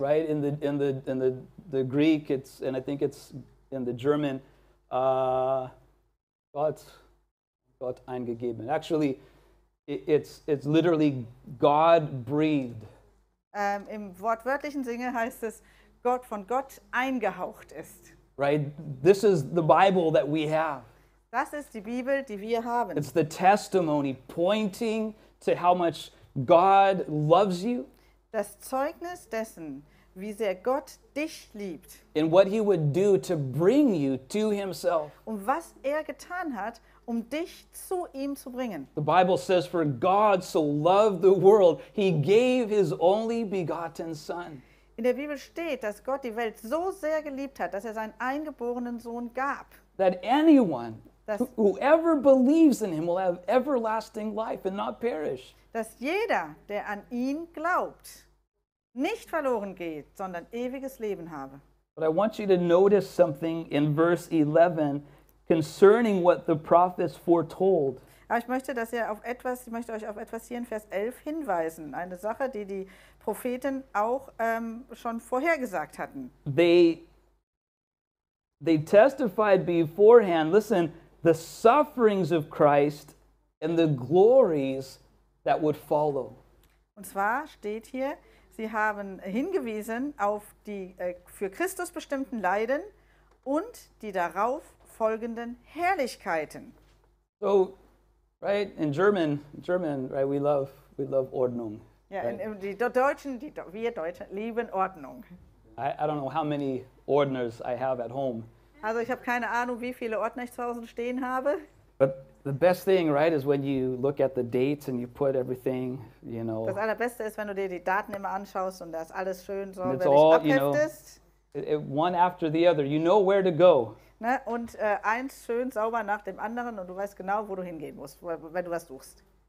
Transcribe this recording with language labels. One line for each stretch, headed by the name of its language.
English: Right, in the Greek, it's, and I think it's in the German,
German: Gott eingegeben.
English: Actually, it's literally God breathed.
German: Im wortwörtlichen Sinne heißt es, Gott von Gott eingehaucht ist.
English: Right? This is the Bible that we have.
German: Das ist die Bibel, die wir haben.
English: It's the testimony pointing to how much God loves you.
German: Das Zeugnis dessen, wie sehr Gott dich liebt.
English: And what he would do to bring you to himself.
German: Und was er getan hat, um dich zu ihm zu bringen.
English: The Bible says, for God so loved the world, he gave his only begotten son.
German: In der Bibel steht, dass Gott die Welt so sehr geliebt hat, dass er seinen eingeborenen Sohn gab.
English: That anyone, whoever believes in him, will have everlasting life and not perish.
German: Dass jeder, der an ihn glaubt, nicht verloren geht, sondern ewiges Leben habe.
English: But I want you to notice something in verse 11, concerning what the prophets foretold.
German: Aber ich möchte, dass ihr auf etwas, ich möchte euch auf etwas hier in Vers 11 hinweisen, eine Sache, die die Propheten auch schon vorhergesagt hatten.
English: They testified beforehand, listen, the sufferings of Christ and the glories that would follow.
German: Und zwar steht hier, sie haben hingewiesen auf die für Christus bestimmten Leiden und die darauf folgenden Herrlichkeiten.
English: So, right, in German, right, we love Ordnung.
German: Ja,
English: right?
German: In wir Deutschen lieben Ordnung.
English: I don't know how many Ordners I have at home.
German: Also, ich habe keine Ahnung, wie viele Ordner ich zu Hause stehen habe.
English: But the best thing, right, is when you look at the dates and you put everything, you know.
German: Das Allerbeste ist, wenn du dir die Daten immer anschaust und das alles schön so, wenn ich abheftest.
English: You know, one after the other, you know where to go.
German: Ne? Und eins schön sauber nach dem anderen und du weißt genau, wo du hingehen musst, wenn du was suchst.